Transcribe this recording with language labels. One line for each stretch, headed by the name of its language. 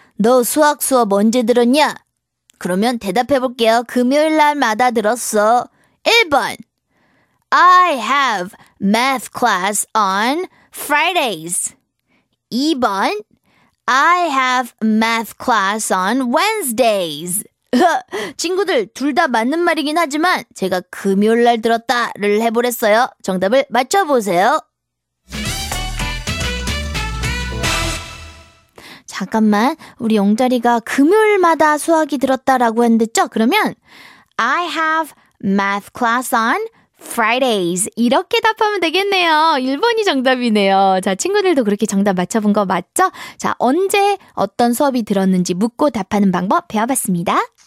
Korean: 너 수학 수업 언제 들었냐? 그러면 대답해볼게요. 금요일 날마다 들었어. 1번.
English: I have math class on Fridays.
Korean: 2번.
English: I have math class on Wednesdays.
Korean: 친구들 둘 다 맞는 말이긴 하지만 제가 금요일날 들었다를 해보랬어요. 정답을 맞춰보세요. 잠깐만, 우리 영자리가 금요일마다 수학이 들었다라고 했죠? 그러면
English: I have math class on Fridays.
Korean: 이렇게 답하면 되겠네요. 1번이 정답이네요. 자, 친구들도 그렇게 정답 맞춰본 거 맞죠? 자, 언제 어떤 수업이 들었는지 묻고 답하는 방법 배워봤습니다.